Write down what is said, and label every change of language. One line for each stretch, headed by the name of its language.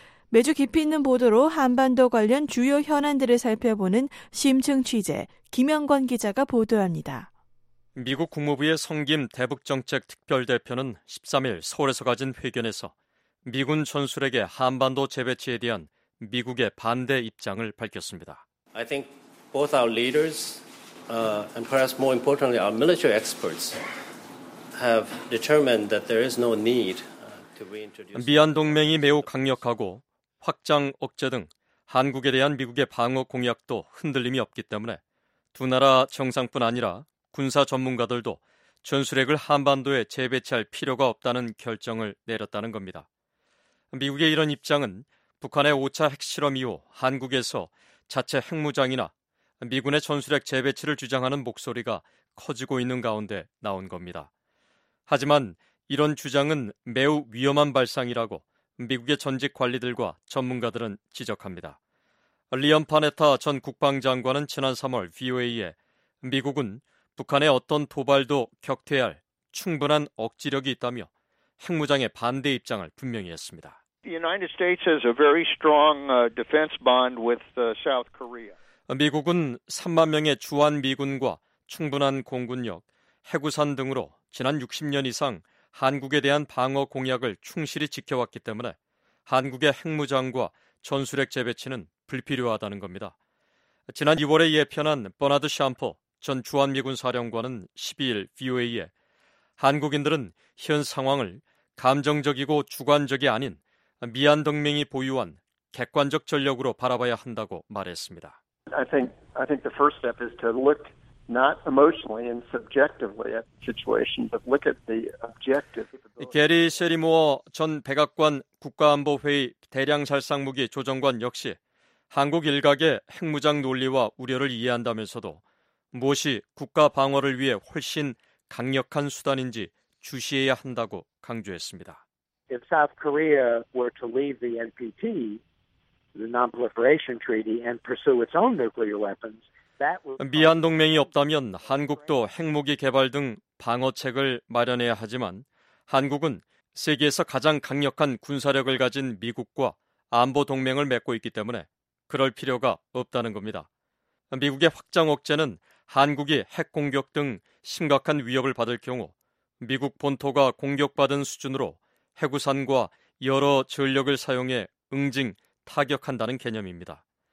Korean: 매주 깊이 있는 보도로 한반도 관련 주요 현안들을 살펴보는 심층 취재, 김영권 기자가 보도합니다. 미국 국무부의 성김 대북정책특별대표는 13일 서울에서 가진 회견에서 미군 전술에게 한반도 재배치에 대한 미국의 반대 입장을 밝혔습니다.
English: I think both our leaders and perhaps more importantly our military experts have determined that there is no need to reintroduce
Korean: 미한 동맹이 매우 강력하고 확장 억제 등 한국에 대한 미국의 방어 공약도 흔들림이 없기 때문에 두 나라 정상뿐 아니라 군사 전문가들도 전술핵을 한반도에 재배치할 필요가 없다는 결정을 내렸다는 겁니다. 미국의 이런 입장은 북한의 5차 핵실험 이후 한국에서 자체 핵무장이나 미군의 전술핵 재배치를 주장하는 목소리가 커지고 있는 가운데 나온 겁니다. 하지만 이런 주장은 매우 위험한 발상이라고 미국의 전직 관리들과 전문가들은 지적합니다. 리엄 파네타 전 국방장관은 지난 3월 VOA에 미국은 북한의 어떤 도발도 격퇴할 충분한 억지력이 있다며 핵무장의 반대 입장을 분명히 했습니다.
English: The United States has a very strong defense bond with South Korea.
Korean: 미국은 3만 명의 주한 미군과 충분한 공군력, 해구산 등으로 지난 60년 이상 한국에 대한 방어 공약을 충실히 지켜왔기 때문에 한국의 핵무장과 전술핵 재배치는 불필요하다는 겁니다. 지난 2월에 예편한 버나드 샴퍼 전 주한미군 사령관은 12일 VOA에 한국인들은 현 상황을 감정적이고 주관적이 아닌 미한 동맹이 보유한 객관적 전력으로 바라봐야 한다고 말했습니다.
English: I think the first step is to look not emotionally and subjectively at the situation, but look at the objective.
Korean: 게리 셰리모어 전 백악관 국가안보회의 대량살상무기 조정관 역시 한국 일각의 핵무장 논리와 우려를 이해한다면서도 무엇이 국가 방어를 위해 훨씬 강력한 수단인지 주시해야 한다고 강조했습니다.
English: If South Korea were to leave the NPT, the Non-Proliferation Treaty and pursue its own nuclear weapons.
Korean: 미한 동맹이 없다면 한국도 핵무기 개발 등 방어책을 마련해야 하지만 한국은 세계에서 가장 강력한 군사력을 가진 미국과 안보 동맹을 맺고 있기 때문에 그럴 필요가 없다는 겁니다. 미국의 확장 억제는 한국이 핵 공격 등 심각한 위협을 받을 경우 미국 본토가 공격받은 수준으로 핵우산과 여러 전력을 사용해 응징, 타격한다는 개념입니다.